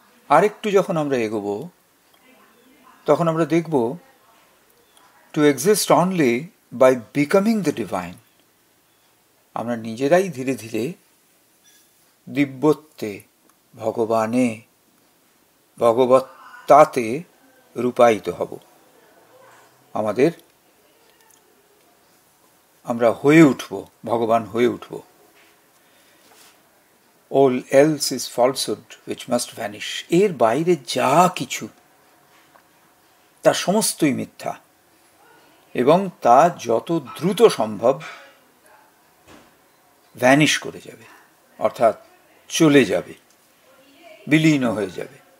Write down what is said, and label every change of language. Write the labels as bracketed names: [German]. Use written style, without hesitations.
[Bangla] আরেকটু যখন আমরা এগোব তখন আমরা দেখব, [English] to exist only by becoming the divine, [Bangla] আমরা নিজেরাই ধীরে ধীরে দিব্যত্বে, ভগবানে, ভগবত্তাতে রূপায়িত হব, আমাদের আমরা হয়ে উঠব, ভগবান হয়ে উঠব। [English] All else is falsehood which must vanish. [Bangla] এর বাইরে যা কিছু তা সমস্তই মিথ্যা, এবং তা যত দ্রুত সম্ভব ভ্যানিশ করে যাবে, অর্থাৎ চলে যাবে, বিলীন হয়ে যাবে।